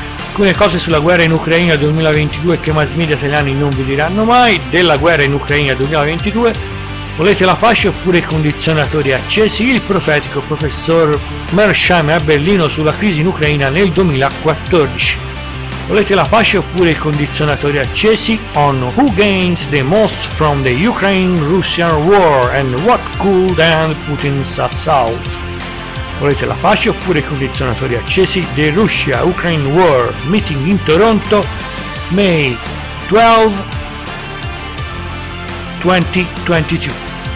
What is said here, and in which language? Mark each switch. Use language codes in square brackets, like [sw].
[it] Alcune cose sulla guerra in Ucraina 2022 che mass media italiani non vi diranno mai. Della guerra in Ucraina 2022, volete la pace oppure i condizionatori accesi? Il profetico professor Mersheim a Berlino sulla crisi in Ucraina nel 2014. Volete la pace oppure i condizionatori accesi? [en] On who gains the most from the Ukraine-Russian war and what could end Putin's assault? [it] Volete la pace oppure i condizionatori accesi? [en] The Russia-Ukraine War Meeting in Toronto, May 12, 2022.